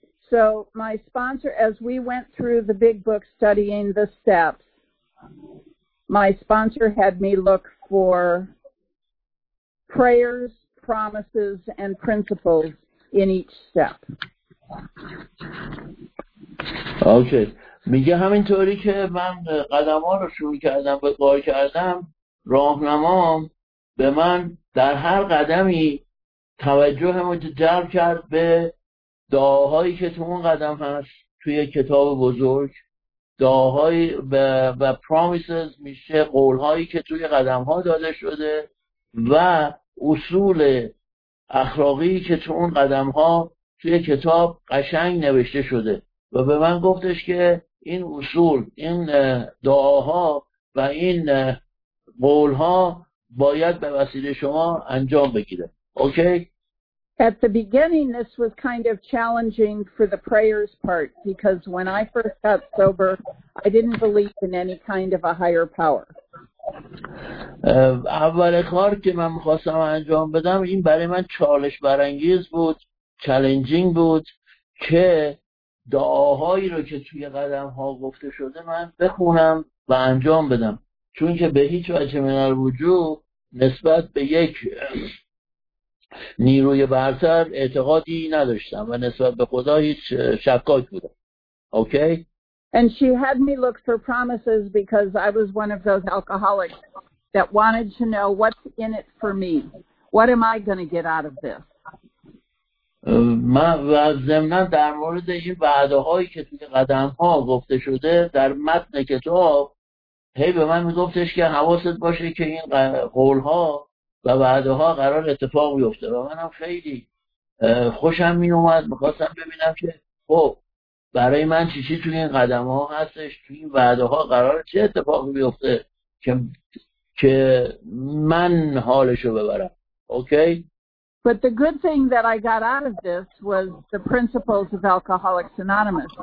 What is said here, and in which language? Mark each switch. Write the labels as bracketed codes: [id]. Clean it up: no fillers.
[en] So my sponsor, as we went through the big book studying the steps, my sponsor had me look for prayers, promises, and principles in each step. Okay. [fa] میگه همینطوری که من قدم‌ها رو شروع کردم و دعا کردم، راهنمام به من در هر قدمی توجهم رو جلب کرد به دعاهایی که تو اون قدم هست توی کتاب بزرگ، دعاهایی و پرامیسز میشه قولهایی که توی قدم ها داده شده و اصول اخلاقی که تو اون قدم ها توی کتاب قشنگ نوشته شده و به من گفتش که این اصول، این دعاها و این قولها باید به وسیله شما انجام بگیره. [en] Okay? At the beginning, this was kind of challenging for the prayers part, because when I first got sober, I didn't believe in any kind of a higher power. [fa] اول کار که من می‌خواستم انجام بدم، این برای من چالش برانگیز بود، چالنجینگ بود که دعاهایی رو که توی قدم‌ها گفته شده من بخونم و انجام بدم، چون که به هیچ وجه من الوجود نسبت به یک نیروی برتر اعتقادی نداشتم و نسبت به خدا هیچ شکاک بودم. [en] Okay? And she had me look for promises because I was one of those alcoholics that wanted to know what's in it for me. What am I going to get out of this? [fa] من و ضمناً در مورد این وعده هایی که توی قدم ها گفته شده در متن کتاب هی به من میگفتش که حواست باشه که این قول ها و وعده ها قرار اتفاق بیفته و منم خیلی خوشم می اومد، میخواستم ببینم که خب برای من چی توی این قدم ها هستش، توی این وعده ها قرار چه اتفاقی بیفته که من حالشو ببرم. [en] Okay? But the good thing that I got out of this was the principles of Alcoholics Anonymous.